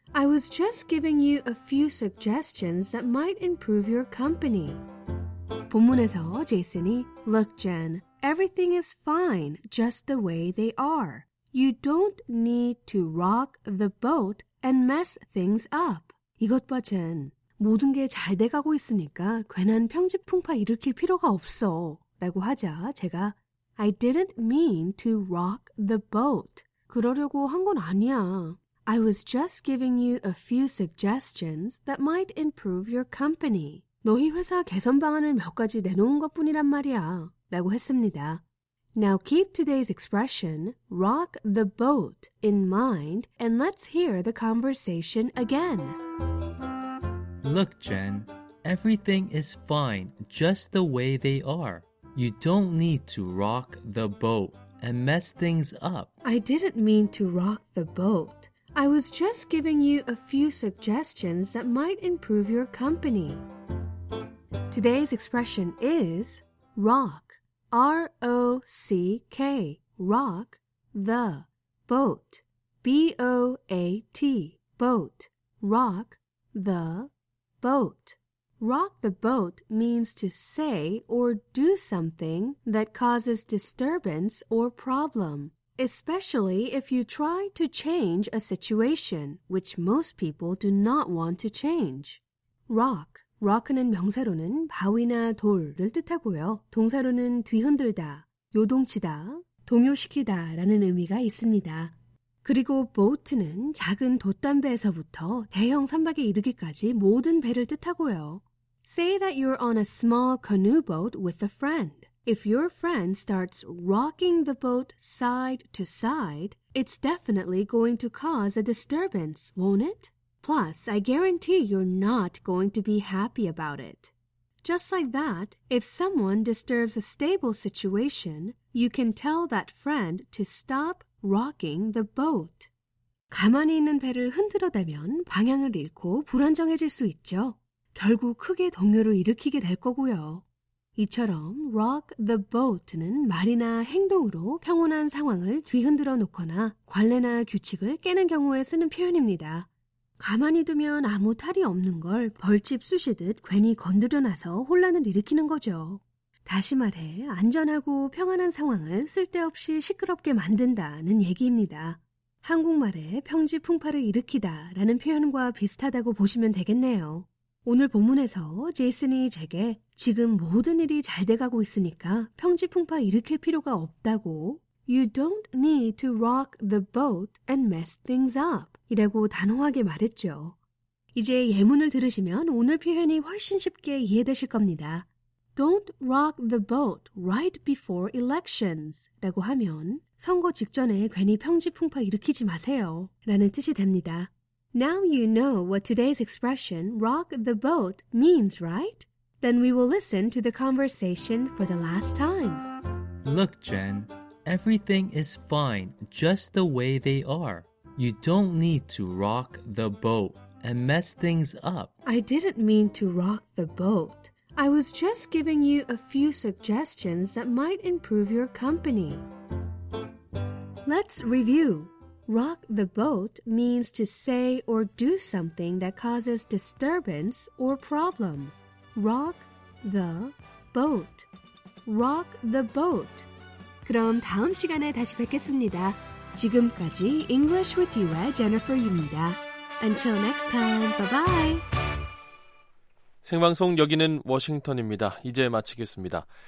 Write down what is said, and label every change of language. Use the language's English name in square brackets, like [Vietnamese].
[English] I was just giving you a few suggestions that might improve your company. [Korean] 본문에서 제이슨이 [English] Look, Jen, everything is fine just the way they are. You don't need to rock the boat and mess things up. [Korean] 이것 봐, 젠. 모든 게 잘 돼가고 있으니까 괜한 평지풍파 일으킬 필요가 없어. 라고 하자 제가 [English] I didn't mean to rock the boat. [Korean] 그러려고 한 건 아니야. [English] I was just giving you a few suggestions that might improve your company. [Korean] 너희 회사 개선 방안을 몇 가지 내놓은 것뿐이란 말이야. 라고 했습니다. [English] Now keep today's expression, rock the boat, in mind, and let's hear the conversation again. Look, Jen, everything is fine just the way they are. You don't need to rock the boat and mess things up. I didn't mean to rock the boat. I was just giving you a few suggestions that might improve your company. Today's expression is rock. R-O-C-K, rock, the, boat, B-O-A-T, boat, rock, the, boat. Rock the boat means to say or do something that causes disturbance or problem, especially if you try to change a situation, which most people do not want to change. [Korean] Rock. Rock는 명사로는 바위나 돌을 뜻하고요. 동사로는 뒤흔들다, 요동치다, 동요시키다 라는 의미가 있습니다. 그리고 boat는 작은 돛단배에서부터 대형 선박에 이르기까지 모든 배를 뜻하고요. [English] Say that you're on a small canoe boat with a friend. If your friend starts rocking the boat side to side, it's definitely going to cause a disturbance, won't it? Plus, I guarantee you're not going to be happy about it. Just like that, if someone disturbs a stable situation, you can tell that friend to stop rocking the boat. [Korean] 가만히 있는 배를 흔들어대면 방향을 잃고 불안정해질 수 있죠. 결국 크게 동요를 일으키게 될 거고요. 이처럼 rock the boat는 말이나 행동으로 평온한 상황을 뒤흔들어 놓거나 관례나 규칙을 깨는 경우에 쓰는 표현입니다. 가만히 두면 아무 탈이 없는 걸 벌집 쑤시듯 괜히 건드려놔서 혼란을 일으키는 거죠. 다시 말해 안전하고 평안한 상황을 쓸데없이 시끄럽게 만든다는 얘기입니다. 한국말에 평지풍파를 일으키다 라는 표현과 비슷하다고 보시면 되겠네요. 오늘 본문에서 제이슨이 제게 지금 모든 일이 잘 돼가고 있으니까 평지풍파 일으킬 필요가 없다고 [English] You don't need to rock the boat and mess things up. [Korean] 이라고 단호하게 말했죠. 이제 예문을 들으시면 오늘 표현이 훨씬 쉽게 이해되실 겁니다. [English] Don't rock the boat right before elections. [Korean] 라고 하면 선거 직전에 괜히 평지풍파 일으키지 마세요. 라는 뜻이 됩니다. [English] Now you know what today's expression rock the boat means, right? Then we will listen to the conversation for the last time. Look, Jen. Everything is fine just the way they are. You don't need to rock the boat and mess things up. I didn't mean to rock the boat. I was just giving you a few suggestions that might improve your company. Let's review. Rock the boat means to say or do something that causes disturbance or problem. Rock the boat. Rock the boat. [Korean] 그럼 다음 시간에 다시 뵙겠습니다. 지금까지 English with You의 Jennifer입니다. [English] Until next time, bye-bye! [Korean] 생방송 여기는 워싱턴입니다. 이제 마치겠습니다.